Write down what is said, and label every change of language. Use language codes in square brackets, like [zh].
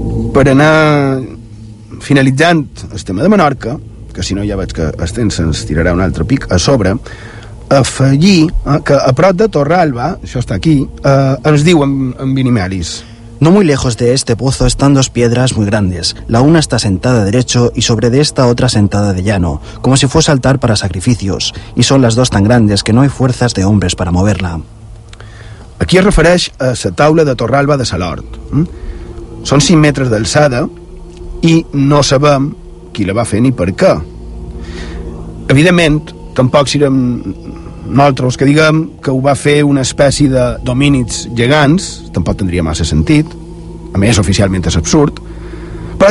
[ca] Per anar finalitzant el tema de Menorca, que si no ja veig que el temps se'ns tirarà un altre pic a sobre, afegir que a prop de Torralba, això està aquí, ens diu en Vinimelis: [es] no muy lejos de este pozo están dos piedras muy grandes. La una está sentada derecho y sobre de esta otra sentada de llano, como si fuese altar para sacrificios, y son las dos tan grandes que no hay fuerzas de hombres para moverla. [ca] Aquí es refereix a la taula de Torralba de Salord. Són 5 metres d'alçada i no sabem qui la va fer ni per què. Evidentment, tampoc serem nosaltres que diguem que ho va fer una espècie de domínits gegants, tampoc tindria massa sentit, a més oficialment és absurd, però